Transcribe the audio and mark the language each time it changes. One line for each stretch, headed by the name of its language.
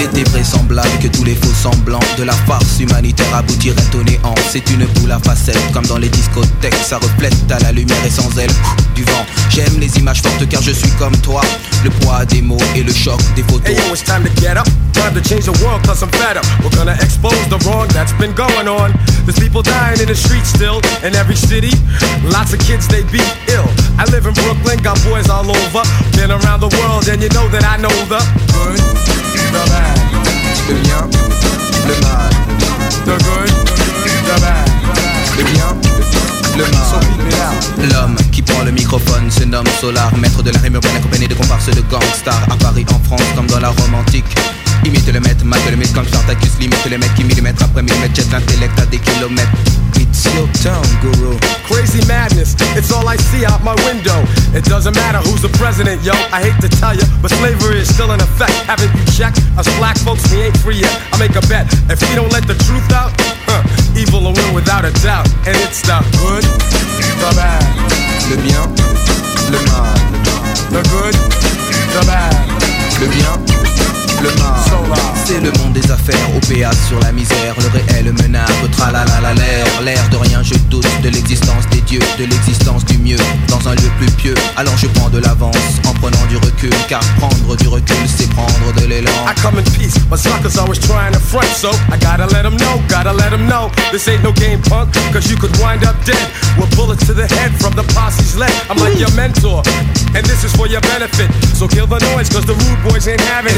French: Vraisemblable que tous les faux semblants de la farce humanitaire aboutiraient au néant. C'est une boule à facettes comme dans les discothèques, ça reflète à la lumière et sans elle du vent. J'aime les images fortes car je suis comme toi, le poids des mots et le choc des photos.
English: Hey yo, it's time to get up, time to change the world cause I'm fed up. We're gonna expose the wrong that's been going on. There's people dying in the streets still, in every city, lots of kids they be ill. I live in Brooklyn, got boys all over, been around the world and you know that I know the good.
French: Le bien, le mal,
English: the good, the bad,
French: le bien, le mal. L'homme qui prend le microphone se nomme Solar, maître de la rime urbaine accompagné de comparses de gangstar. À Paris, en France, comme dans la Rome antique, imite le maître, mate le mythe comme Spartacus, limite les mecs qui millimètre après millimètre jette l'intellect à des kilomètres.
English: It's your turn, guru. Crazy madness, it's all I see out my window. It doesn't matter who's the president, yo. I hate to tell you, but slavery is still in effect. Haven't you checked? Us black folks, we ain't free yet. I make a bet, if we don't let the truth out, evil will win without a doubt. And it's the good, the bad.
French: Le bien, le mal.
English: The good, the bad.
French: Le bien, le mal. Solar. C'est le monde des affaires, OPA sur la misère. Le réel menace, tralala l'air. L'air de rien, je doute de l'existence des dieux, de l'existence du mieux, dans un lieu plus pieux. Alors je prends de l'avance, en prenant du recul. Car prendre du recul, c'est prendre de l'élan.
English: I come in peace, my suckers always trying to front. So I gotta let them know, gotta let them know. This ain't no game punk, cause you could wind up dead. With bullets to the head from the posse's leg. I'm like your mentor, and this is for your benefit. So kill the noise, cause the rude boys ain't having it.